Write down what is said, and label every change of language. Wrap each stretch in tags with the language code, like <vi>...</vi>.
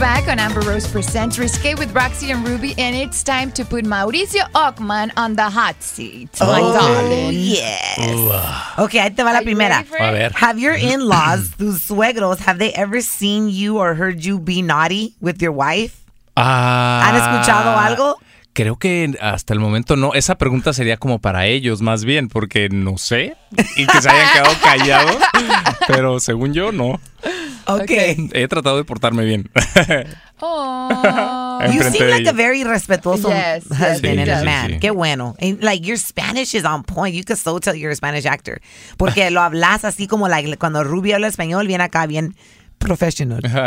<en>back on Amber Rose Presents Risqué with RaqC and Rubi, and it's time to put Mauricio Ochman on the hot seat. Oh, my darling. Yes. Ooh. Okay,</en> <es>ahí te va la primera. A ver.</es> <en>Have your in-laws,</en> <es>tus suegros,</es> <en>have they ever seen you or heard you be naughty with your wife?</en> <es>¿Han escuchado algo? Creo que hasta el momento no. Esa pregunta sería como para ellos más bien, porque no sé, y que se hayan quedado callados, pero según yo, no.</es> <en>Okay.</en> <es>He tratado de portarme bien. Oh.</es> <en>You seem like a very respetuoso husband and a man.</en> <es>Sí. Qué bueno.</es> <en>And, like, your Spanish is on point. You can so tell you're a Spanish actor.</en> <es>Porque lo hablas así como, like, cuando Rubio habla español, viene acá bien profesional.</es>